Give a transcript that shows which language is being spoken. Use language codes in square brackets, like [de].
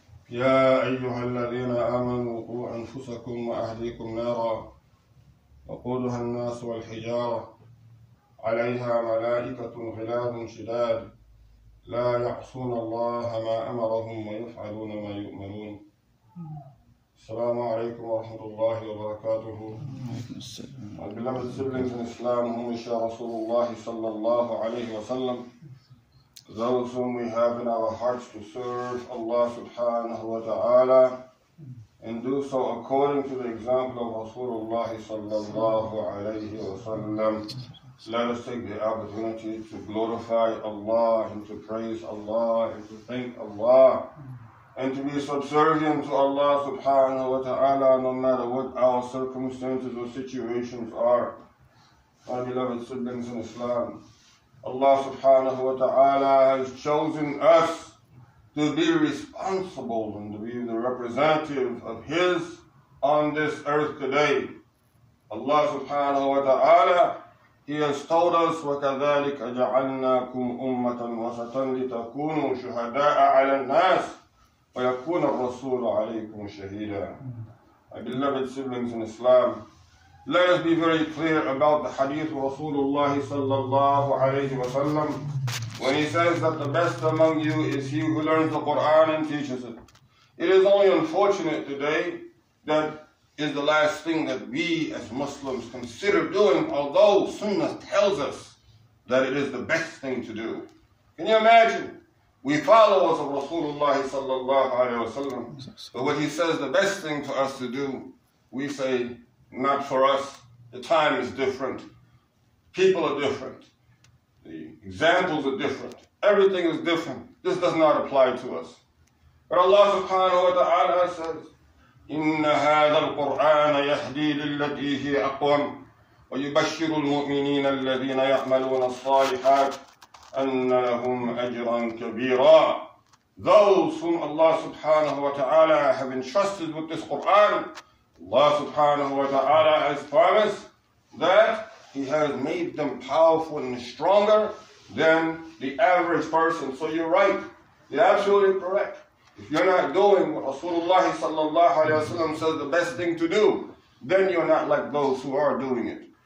[ar] يا أيها الذين آمنوا قوا أنفسكم وأهليكم نارا وقودها الناس والحجارة عليها ملائكة غلاظ شداد لا يعصون الله ما أمرهم ويفعلون ما يؤمرون. السلام عليكم ورحمة الله وبركاته. البلاد سبلنج الإسلام هم إشاء رسول الله صلى الله عليه وسلم. [en] Those whom we have in our hearts to serve Allah subhanahu wa ta'ala and do so according to the example of Rasulullah sallallahu alayhi wa sallam. Let us take the opportunity to glorify Allah and to praise Allah and to thank Allah and to be subservient to Allah subhanahu wa ta'ala no matter what our circumstances or situations are. My beloved siblings in Islam, Allah subhanahu wa ta'ala has chosen us to be responsible and to be the representative of His on this earth today. Allah subhanahu wa ta'ala, He has told us, [ar] وَكَذَلِكَ جَعَلْنَاكُمْ أُمَّةً وَسَطًا لِتَكُونُوا شُهَدَاءَ عَلَى النَّاسِ وَيَكُونَ الرَّسُولُ عَلَيْكُمْ شَهِيدًا. [en] My beloved siblings in Islam, let us be very clear about the hadith of Rasulullah sallallahu alayhi wa sallam when he says that the best among you is he who learns the Quran and teaches it. It is only unfortunate today that is the last thing that we as Muslims consider doing, although Sunnah tells us that it is the best thing to do. Can you imagine? We followers of Rasulullah sallallahu alayhi wa sallam, but what he says the best thing for us to do, we say, not for us. The time is different. People are different. The examples are different. Everything is different. This does not apply to us. But Allah subhanahu wa ta'ala says, [ar] إِنَّ هَذَا الْقُرْآنَ يَهْدِي لِلَّتِي هِيَ أَقْوَمُ وَيُبَشِّرُ الْمُؤْمِنِينَ الَّذِينَ يَعْمَلُونَ الصَّالِحَاتِ أَنَّ لَهُمْ أَجْرًا كَبِيرًا. [en] Those whom Allah subhanahu wa ta'ala have entrusted with this Qur'an, Allah subhanahu wa ta'ala has promised that He has made them powerful and stronger than the average person. So you're right. You're absolutely correct. If you're not doing what Rasulullah sallallahu alayhi wa sallam says the best thing to do, then you're not like those who are doing it.